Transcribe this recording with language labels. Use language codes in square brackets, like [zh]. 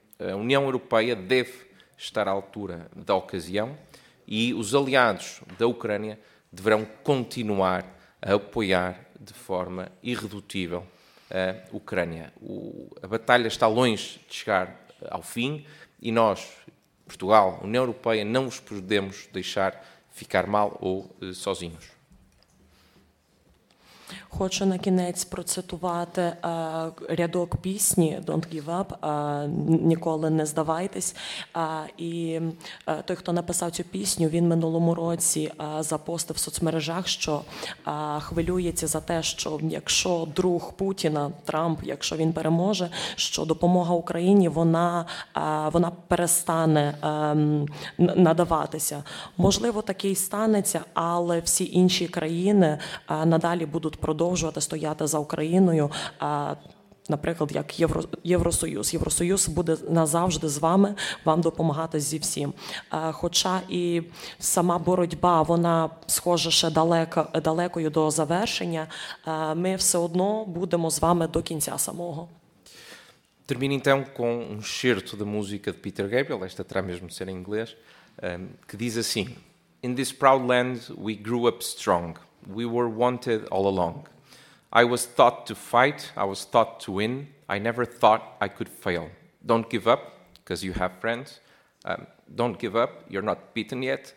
[pt] A União Europeia deve estar à altura da ocasião e os aliados da Ucrânia deverão continuar a apoiar de forma irredutível a Ucrânia. A batalha está longe de chegar ao fim e nós, Portugal, União Europeia, não os podemos deixar ficar mal ou sozinhos. [uk] Хочу на кінець процитувати рядок пісні «Don't give up», «Ніколи не здавайтесь». І той, хто написав цю пісню, він минулому році запостив в соцмережах, що хвилюється за те, що якщо друг Путіна, Трамп, якщо він переможе, що допомога Україні, вона перестане надаватися. Можливо, таке й станеться, але всі інші країни надалі будуть продовжувати стояти за Україною, наприклад, як Євросоюз. Євросоюз буде назавжди з вами, вам допомагати зі всім. Хоча і сама боротьба, вона, схоже, ще далекою до завершення, ми все одно будемо з вами до кінця самого. [pt] Termino então com um excerto da música de Peter Gabriel, esta terá mesmo de ser em inglês, que diz assim: [en] In this proud land we grew up strong, we were wanted all along. I was taught to fight, I was taught to win, I never thought I could fail. Don't give up, because you have friends. Don't give up, you're not beaten yet.